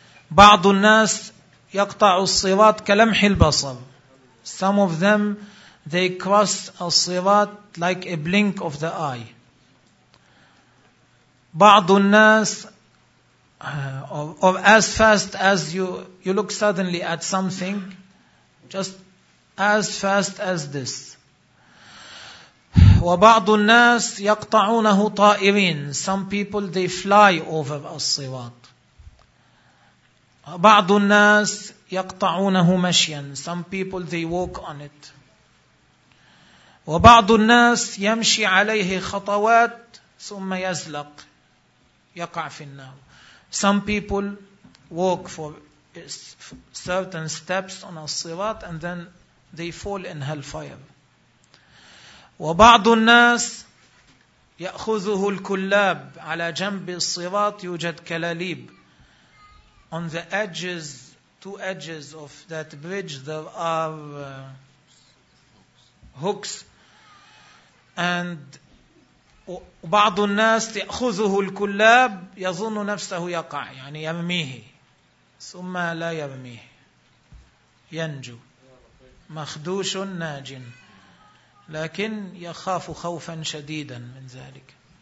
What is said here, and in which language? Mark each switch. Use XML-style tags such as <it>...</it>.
<ar>بعض الناس يقطع الصراط كلمح البصر.</ar> <en>Some of them, they cross الصراط like a blink of the eye.</en> <ar>بعض الناس</ar> <en>or as fast as you look suddenly at something, just as fast as this.</en> <ar>وبعض الناس يقطعونه طائرين.</ar> <en>Some people, they fly over الصراط.</en> <ar>بعض الناس يقطعونه مشيا.</ar> <en>Some people, they walk on it.</en> <ar>وبعض الناس يمشي عليه خطوات ثم يزلق يقع في النار.</ar> <en>Some people walk for certain steps on الصراط and then they fall in hellfire.</en> <ar>وبعض الناس يأخذه الكلاب. على جنب الصراط يوجد كلاليب.</ar> <en>On the edges, two edges of that bridge, there are hooks.</en> <ar>And بعض الناس يأخذه الكلاب يظن نفسه يقع، يعني يرميه، ثم لا يرميه، ينجو، مخدوش ناج، لكن يخاف خوفا شديدا من ذلك.</ar>